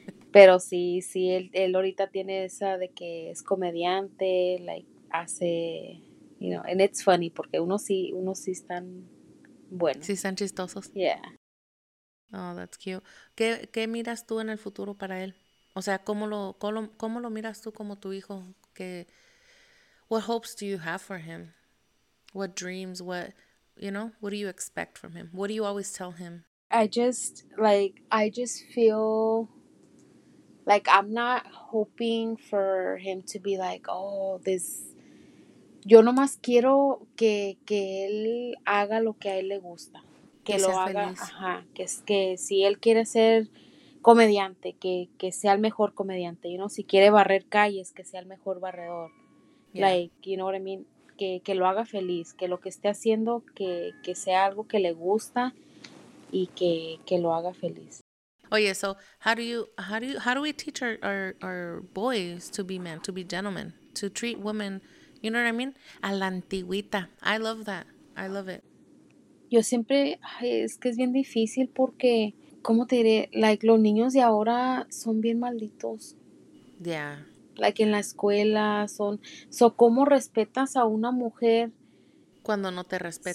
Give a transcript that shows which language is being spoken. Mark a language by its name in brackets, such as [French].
[Spanish] Pero sí, sí, él ahorita tiene esa de que es comediante, like, hace, [English] you know, and it's funny [Spanish] porque unos sí están buenos. Sí están chistosos. [English] Yeah. Oh, that's cute. [Spanish] ¿Qué miras tú en el futuro para él? O sea, ¿cómo lo miras tú como tu hijo? [English] What hopes do you have for him? What dreams, what... You know, what do you expect from him? What do you always tell him? I just feel like I'm not hoping for him to be like, oh, this. [Spanish] Yo nomás quiero que él haga lo que a él le gusta. Que lo haga. Feliz. Ajá. Que si él quiere ser comediante, que sea el mejor comediante. You know, si quiere barrer calles, que sea el mejor barredor. Yeah. [English] Like, you know what I mean? [Spanish] Que lo haga feliz, que lo que esté haciendo que sea algo que le gusta y que lo haga feliz. [English] Oye, so how do we teach our boys to be men, to be gentlemen, to treat women, you know what I mean? [Spanish] A la antigüita. [English] I love that. I love it. [Spanish] Yo siempre, es que es bien difícil porque, ¿cómo te diré? Like, los niños de ahora son bien malditos. [English] Yeah. [Spanish] Like, en la escuela son... So, ¿cómo respetas a una mujer? Cuando no te respetan